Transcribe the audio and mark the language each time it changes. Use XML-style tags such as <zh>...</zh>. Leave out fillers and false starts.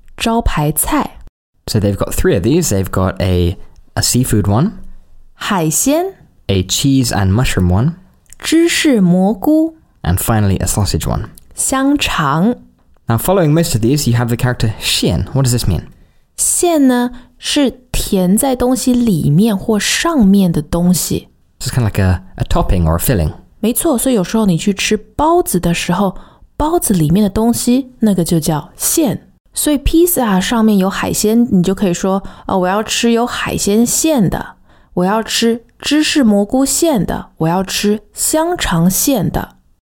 <zh>招牌菜。</zh> <en>So they've got three of these. They've got a seafood one.</en> <zh>海鲜。</zh> <en>A cheese and mushroom one.</en> <zh>芝士蘑菇。</zh> <en>And finally, a sausage one.</en> <zh>香肠。</zh> <en>Now, following most of these, you have the character 馅。 What does this mean?</en> <zh>馅呢是填在东西里面或上面的东西。</zh> <en>It's kind of like a topping or a filling.</en> <zh>没错，所以有时候你去吃包子的时候，包子里面的东西那个就叫馅。所以披萨上面有海鲜，你就可以说、哦、我要吃有海鲜馅的，我要吃芝士蘑菇馅的，我要吃香肠馅的。</zh>